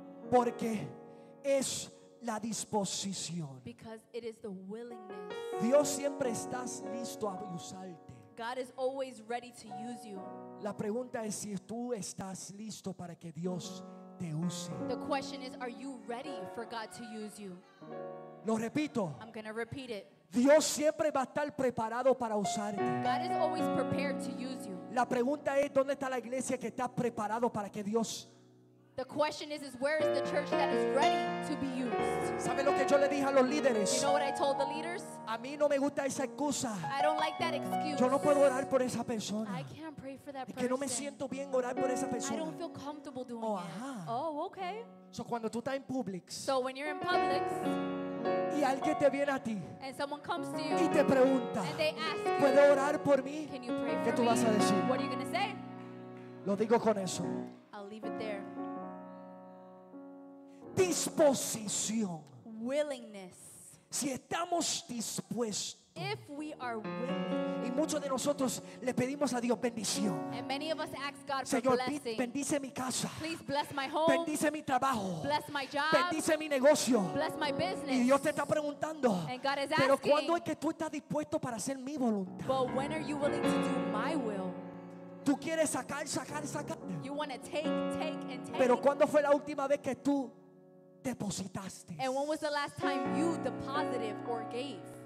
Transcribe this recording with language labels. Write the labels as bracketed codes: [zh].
[es] Porque es la disposición. [en] Because it is the willingness. [es] Dios siempre está listo a usarte. [en] God is always ready to use you. [es] La pregunta es si tú estás listo para que Dios te use. [en] The question is, are you ready for God to use you? [es] Lo repito. [en] I'm gonna repeat it. [es] Dios siempre va a estar preparado para usarte. [en] God is always prepared to use you. [es] La pregunta es, ¿dónde está la iglesia que está preparado para que Dios? [en] The question is where is the church that is ready to be used? [es] ¿Sabe lo que yo le dije a los líderes? [en] You know what I told the leaders? [es] A mí no me gusta esa excusa. [en] I don't like that excuse. [es] Yo no puedo orar por esa persona. [en] I can't pray for that person. [es] Es que no me siento bien orar por esa persona. [en] I don't feel comfortable doing that. Ajá. Oh, okay. [es] So cuando tú estás en Publix. [en] So when you're in Publix. [es] Y alguien te viene a ti. [en] And someone comes to you. [es] Y te pregunta. [en] And they ask you. [es] ¿Puedo orar por mí? [en] Can you pray for me? [es] ¿Qué tú vas a decir? [en] What are you going to say? [es] Lo digo con eso. [en] I'll leave it there. [es] Disposición. [en] Willingness. [es] Si estamos dispuestos. [en] If we are willing. [es] Y muchos de nosotros le pedimos a Dios bendición. [en] And many of us ask God for [es] Señor, [en] blessing. [es] Señor, bendice mi casa. [en] Please bless my home. [es] Bendice mi trabajo. [en] Bless my job. [es] Bendice mi negocio. [en] Bless my business. [es] Y Dios te está preguntando. [en] And God is asking. [es] Pero ¿cuándo es que tú estás dispuesto para hacer mi voluntad? [en] But when are you willing to do my will? [es] Tú quieres sacar, sacar, sacar. [en] You want to take, take, and take. [es] Pero ¿cuándo fue la última vez que tú depositaste? [en] And when was the last time you deposited or gave?